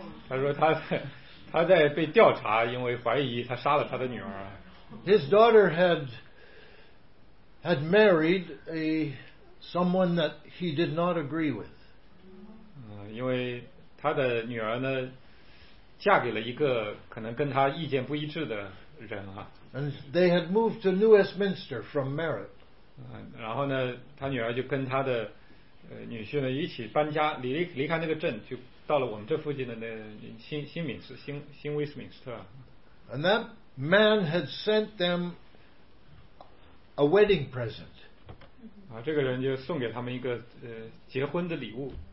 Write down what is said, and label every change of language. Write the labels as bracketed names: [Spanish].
[Chinese] 他说他在被调查，因为怀疑他杀了他的女儿。 [English] His daughter had married a. Someone that he did not agree with. [Chinese] 因为他的女儿呢，嫁给了一个可能跟他意见不一致的人啊。 [English] And they had moved to New Westminster from Merritt. [Chinese] 然后呢，他女儿就跟他的女婿呢一起搬家，离开那个镇，就到了我们这附近的那新威斯敏斯特。 [English] And that man had sent them a wedding present. [Chinese] 这个人就送给他们一个结婚的礼物。